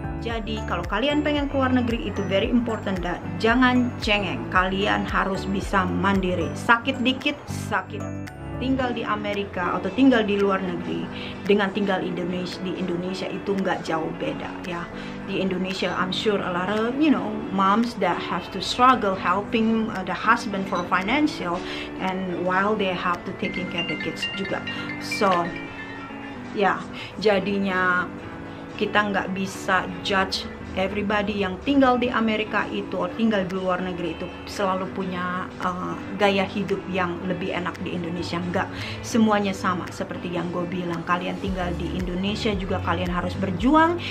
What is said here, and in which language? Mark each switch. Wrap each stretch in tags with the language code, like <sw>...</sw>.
<id>Jadi kalau kalian pengen keluar negeri itu</id> <en>very important,</en> <id>dan jangan cengeng. Kalian harus bisa mandiri. Sakit dikit, sakit. tinggal di Amerika atau tinggal di luar negeri dengan tinggal Indonesia, di Indonesia itu nggak jauh beda ya. Di Indonesia</id> <en>I'm sure a lot of, you know, moms that have to struggle helping the husband for financial and while they have to taking care of the kids juga.</en> <id>So yeah, jadinya kita nggak bisa</id> <en>judge everybody</en> <id>yang tinggal di Amerika itu atau tinggal di luar negeri itu selalu punya gaya hidup yang lebih enak di Indonesia. Enggak, semuanya sama seperti yang gue bilang. Kalian tinggal di Indonesia juga kalian harus berjuang.</id>